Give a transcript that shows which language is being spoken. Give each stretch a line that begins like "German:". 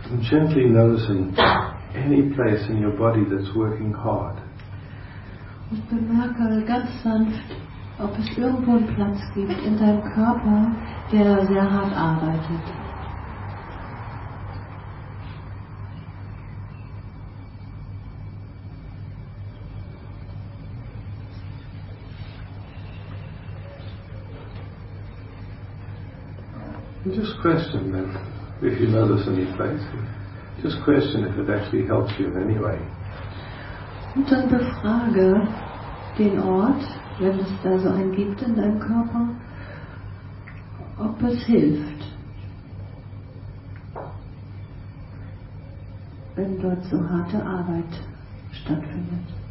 English: Gently noticing any place in your body that's working hard.
German: Und bemerke ganz sanft, ob es irgendwo einen Platz gibt in deinem Körper, der sehr hart arbeitet.
English: Just question then, if you notice any place. Just question if it actually helps you in any way.
German: Und dann befrage den Ort, wenn es da so einen gibt in deinem Körper, ob es hilft, wenn dort so harte Arbeit stattfindet.